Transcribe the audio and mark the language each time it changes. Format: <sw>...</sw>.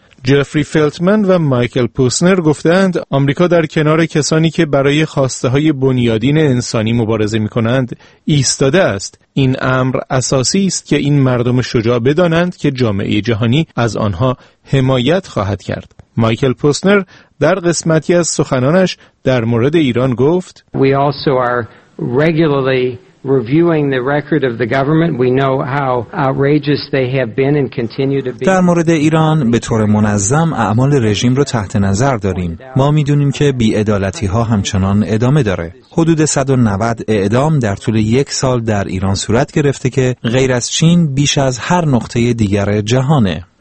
<fa>جفری فلتمن و مایکل پوسنر گفتند آمریکا در کنار کسانی که برای خواسته های بنیادین انسانی مبارزه می کنند ایستاده است. این امر اساسی است که این مردم شجاع بدانند که جامعه جهانی از آنها حمایت خواهد کرد. مایکل پوسنر در قسمتی از سخنانش در مورد ایران گفت:</fa> <en>We also are regularly reviewing the record of the government, we know how outrageous they have been and continue to be.</en> <fa>در مورد ایران به طور منظم اعمال رژیم رو تحت نظر داریم. ما میدونیم که بی‌عدالتی‌ها همچنان ادامه داره. حدود 190 اعدام در طول یک سال در ایران صورت گرفته که غیر از چین بیش از هر نقطه دیگر جهانه.</fa>